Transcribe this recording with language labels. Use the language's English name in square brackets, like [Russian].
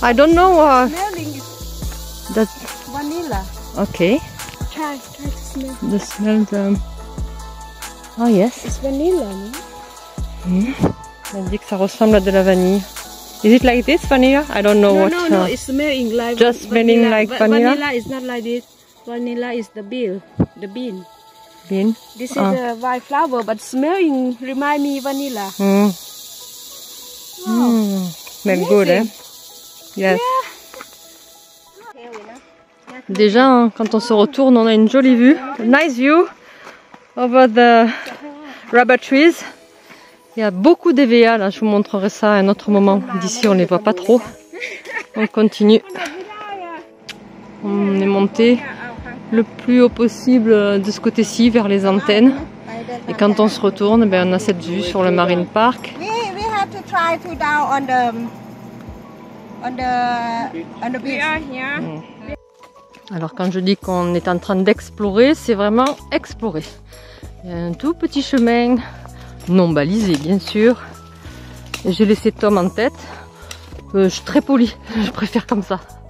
[English] I don't know. Smelling. Vanilla. Okay. Try to smell. The smell. Oh yes. It's vanilla, non? [French] Elle dit que ça ressemble à de la vanille. [English] Is it like this vanilla? I don't know no, what. No, it's smelling like just smelling vanilla. Like vanilla. Vanilla is not like this. Vanilla is the bean. Bean. This is a white flower, but smelling remind me vanilla. Mm. Wow. Smell good, eh? Yes. Yeah. [French] Déjà, quand on se retourne, on a une jolie vue. [English] Nice view. Over the rubber trees. [French] Il y a beaucoup d'EVA là, je vous montrerai ça à un autre moment. D'ici on ne les voit pas trop. On continue. On est monté le plus haut possible de ce côté-ci vers les antennes. Et quand on se retourne, ben, on a cette vue sur le Marine Park. [English] We have to try to down on the beach. [French] Alors quand je dis qu'on est en train d'explorer, c'est vraiment explorer. Il y a un tout petit chemin, non balisé bien sûr. J'ai laissé Tom en tête. Je suis très poli, je préfère comme ça.